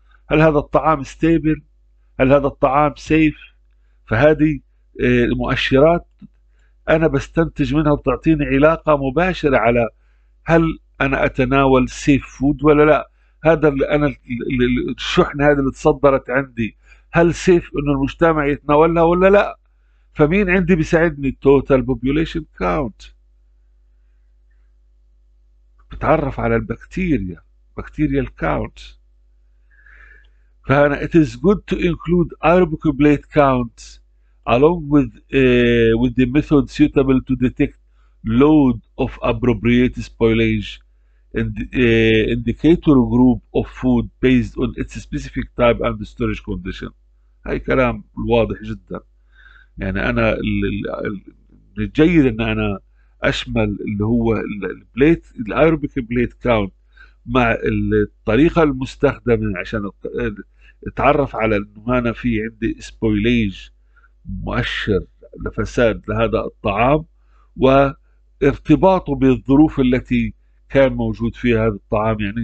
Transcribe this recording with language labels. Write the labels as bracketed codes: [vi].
[ar] هل هذا الطعام ستيبل؟ هل هذا الطعام سيف؟ فهذه المؤشرات انا بستنتج منها بتعطيني علاقه مباشره على هل انا اتناول سيف فود ولا لا؟ هذا اللي انا الشحنه هذه اللي تصدرت عندي هل سيف انه المجتمع يتناولها ولا لا؟ فمين عندي بيساعدني؟ التوتال بوبوليشن كاونت، بتعرف على البكتيريا، بكتيريا الكاونت. [en] فانا it is good to include aerobic plate count along with with the method suitable to detect load of appropriate spoilage and indicator group of food based on its specific type and storage condition. [ar] هاي كلام واضح جدا. يعني انا الجيد ان انا اشمل اللي هو البليت الايروبيك بليت كاونت مع الطريقه المستخدمه عشان اتعرف على انه انا في عندي سبويليج مؤشر لفساد لهذا الطعام وارتباطه بالظروف التي كان موجود فيها هذا الطعام.